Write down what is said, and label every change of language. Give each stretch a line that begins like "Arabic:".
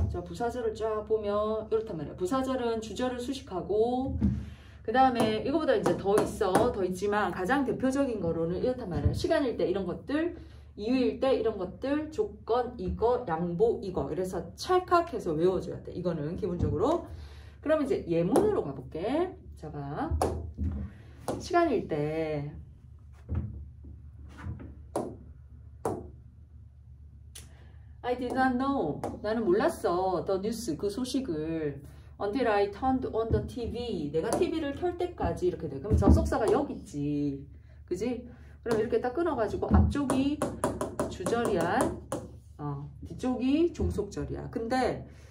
Korean: 자 부사절을 쫙 보면 이렇단 말이야. 부사절은 주절을 수식하고 그 다음에 이거보다 이제 더 있어. 더 있지만 가장 대표적인 거로는 이렇단 말이야. 시간일 때 이런 것들, 이유일 때 이런 것들, 조건 이거, 양보 이거. 그래서 찰칵해서 외워줘야 돼. 이거는 기본적으로. 그럼 이제 예문으로 가볼게. 자 봐. 시간일 때
English: I did not know.
Korean: 나는 몰랐어.
English: The news,
Korean: 그 소식을.
English: Until I turned on the TV.
Korean: 내가 TV를 켤 때까지 이렇게 돼. 그럼 접속사가 여기 있지. 그지? 그럼 이렇게 딱 끊어가지고 앞쪽이 주절이야. 뒤쪽이 종속절이야. 근데